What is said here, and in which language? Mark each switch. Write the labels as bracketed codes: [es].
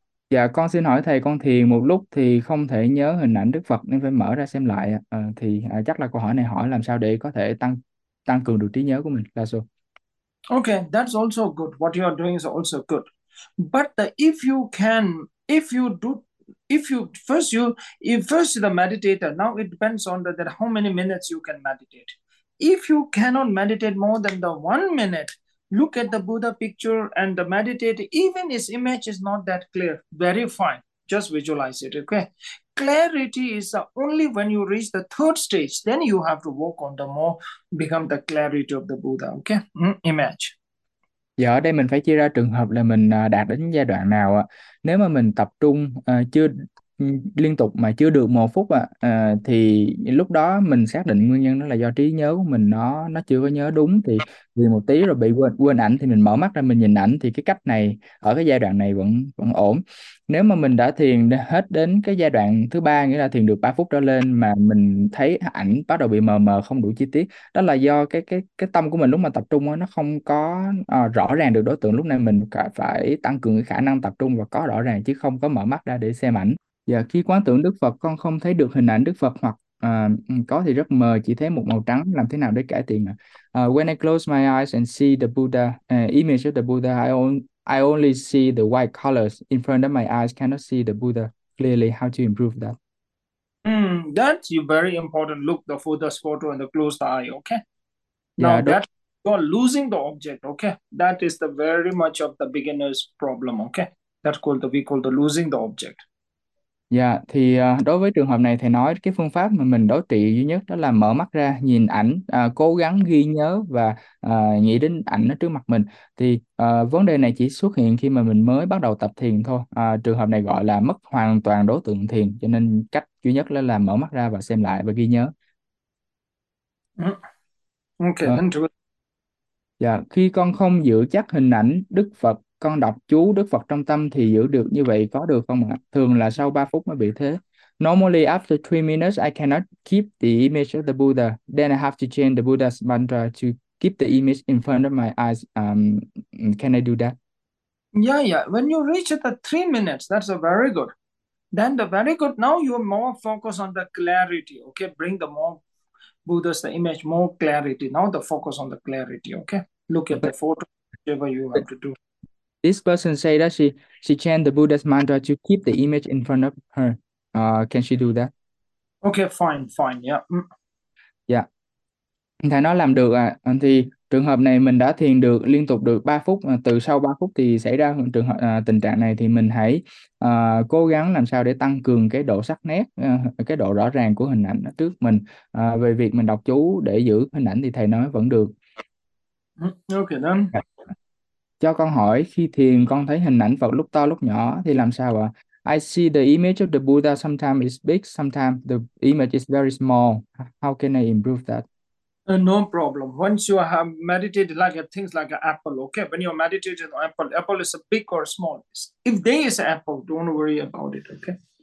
[vi] Dạ, con xin hỏi thầy, con thiền một lúc thì không thể nhớ hình ảnh Đức Phật nên phải mở ra xem lại. Chắc là câu hỏi này hỏi làm sao để có thể tăng tăng cường được trí nhớ của mình. Là số. [en] Okay, that's also good. What you are doing is also good. But the, if you can, if you do, if you first you, if first the meditator, now it depends on the, that how many minutes you can meditate. If you cannot meditate more than the 1 minute, look at the Buddha picture and the meditate. Even his image is not that clear, very fine. Just visualize it, okay? Clarity is only when you reach the third stage, then you have to work on the more, become the clarity of the Buddha, okay? Image. [vi] Giờ ở đây mình phải chia ra trường hợp là mình đạt đến giai đoạn nào ạ. Nếu mà mình tập trung chưa liên tục mà chưa được 1 phút ạ, thì lúc đó mình xác định nguyên nhân đó là do trí nhớ của mình nó chưa có nhớ đúng, thì vì một tí rồi bị quên quên ảnh, thì mình mở mắt ra mình nhìn ảnh, thì cái cách này ở cái giai đoạn này vẫn vẫn ổn. Nếu mà mình đã thiền hết đến cái giai đoạn thứ ba, nghĩa là thiền được 3 phút trở lên, mà mình thấy ảnh bắt đầu bị mờ mờ không đủ chi tiết, đó là do cái tâm của mình lúc mà tập trung đó, nó không có rõ ràng được đối tượng. Lúc này mình phải tăng cường cái khả năng tập trung và có rõ ràng, chứ không có mở mắt ra để xem ảnh. Và khi quán tưởng Đức Phật, con không thấy được hình ảnh Đức Phật, hoặc có thì rất mờ, chỉ thấy một màu trắng, làm thế nào để cải thiện ạ? [en] When I close my eyes and see the Buddha, image of the Buddha, I only see the white colors in front of my eyes, cannot see the Buddha clearly. How to improve that? That's very important. Look the Buddha's photo and the close the eye, okay? Yeah, Now don't. that you're losing the object, okay? That is the very much of the beginner's problem, okay? That's called the, we call the losing the object. [vi] Dạ, thì đối với trường hợp này thầy nói cái phương pháp mà mình đối trị duy nhất đó là mở mắt ra, nhìn ảnh, cố gắng ghi nhớ và nghĩ đến ảnh ở trước mặt mình. Thì vấn đề này chỉ xuất hiện khi mà mình mới bắt đầu tập thiền thôi. Trường hợp này gọi là mất hoàn toàn đối tượng thiền, cho nên cách duy nhất là mở mắt ra và xem lại và ghi nhớ. [en] Okay, [vi] Dạ, khi con không giữ chắc hình ảnh Đức Phật, con đọc chú Đức Phật trong tâm thì giữ được như vậy có được không ạ? Thường là sau 3 phút mới bị thế. [en] Normally after 3 minutes I cannot keep the image of the Buddha. Then I have to change the Buddha's mantra to keep the image in front of my eyes. Can I do that? when you reach at the 3 minutes, that's a very good. Then the very good, now you're more focused on the clarity, okay? Bring the more Buddha's the image, more clarity. Now the focus on the clarity, okay? Look at the photo, whatever you have to do. This person say that she chant the Buddha's mantra to keep the image in front of her. Can she do that? Okay, fine, [vi] Dạ. Yeah. Thầy nói làm được ạ. À. Thì trường hợp này mình đã thiền được liên tục được 3 phút. Từ sau 3 phút thì xảy ra trường hợp tình trạng này, thì mình hãy cố gắng làm sao để tăng cường cái độ sắc nét, cái độ rõ ràng của hình ảnh trước mình. Về việc mình đọc chú để giữ hình ảnh thì thầy nói vẫn được. Ok đó. Cho con hỏi, khi thiền con thấy hình ảnh Phật lúc to lúc nhỏ thì làm sao ạ? [en] I see the image of the Buddha sometimes is big, sometimes the image is very small. How can I improve that? No problem. Once you have meditated like things like an apple, okay? When you're meditating on apple is a big or small. If there is an apple, don't worry about it, okay?